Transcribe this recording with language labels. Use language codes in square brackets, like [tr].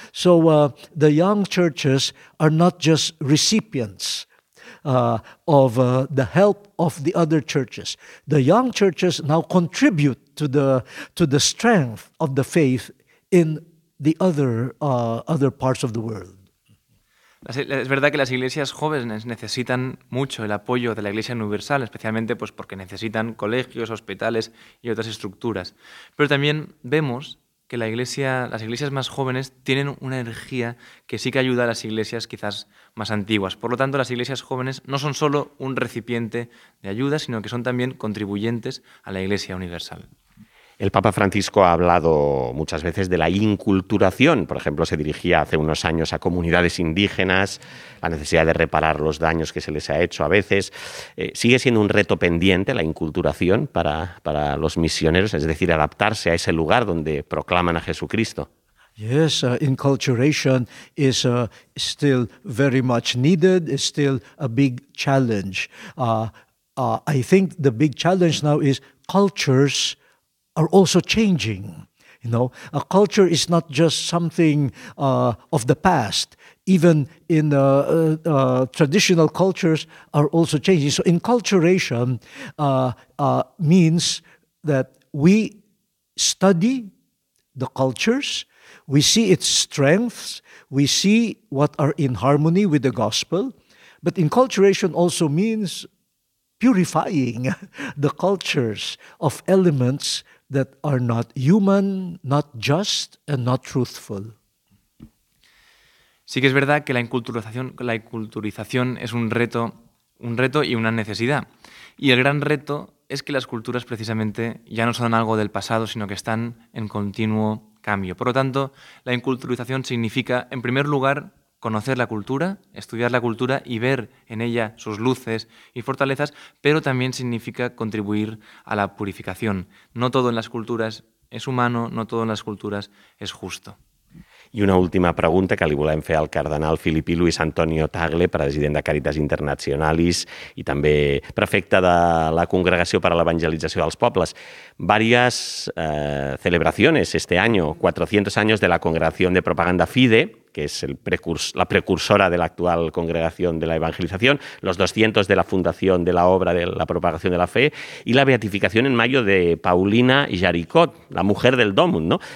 [en] So the young churches are not just recipients of the help of the other churches. The young churches now contribute to the strength of the faith in the other parts of the world. [es] Es verdad que las iglesias jóvenes necesitan mucho el apoyo de la Iglesia Universal, especialmente pues porque necesitan colegios, hospitales y otras estructuras. Pero también vemos que las iglesias más jóvenes tienen una energía que sí que ayuda a las iglesias quizás más antiguas. Por lo tanto, las iglesias jóvenes no son solo un recipiente de ayuda, sino que son también contribuyentes a la Iglesia Universal. El Papa Francisco ha hablado muchas veces de la inculturación. Por ejemplo, se dirigía hace unos años a comunidades indígenas, la necesidad de reparar los daños que se les ha hecho a veces. ¿Sigue siendo un reto pendiente la inculturación para los misioneros? Es decir, adaptarse a ese lugar donde proclaman a Jesucristo. [en] Yes, inculturation is still very much needed, is still a big challenge. I think the big challenge now is cultures are also changing. You know, a culture is not just something of the past. Even in traditional cultures are also changing. So inculturation means that we study the cultures, we see its strengths, we see what are in harmony with the gospel, but inculturation also means purifying the cultures of elements that are not human, not just, and not truthful. [es] Sí que es verdad que la inculturización es un reto y una necesidad. Y el gran reto es que las culturas precisamente ya no son algo del pasado, sino que están en continuo cambio. Por lo tanto, la inculturización significa, en primer lugar, conocer la cultura, estudiar la cultura y ver en ella sus luces y fortalezas, pero también significa contribuir a la purificación. No todo en las culturas es humano, no todo en las culturas es justo. [ca] I una última pregunta que li volem fer al cardenal Filippi Luis Antonio Tagle, president de Caritas Internationalis i també prefecte de la Congregació per a l'Evangelització dels Pobles. [es] Varias celebraciones este año, 400 años de la Congregación de Propaganda Fide, que es el la precursora de la actual Congregación de la Evangelización, los 200 de la Fundación de la Obra de la Propagación de la Fe y la beatificación en mayo de Paulina Jaricot, la mujer del Domum, ¿no?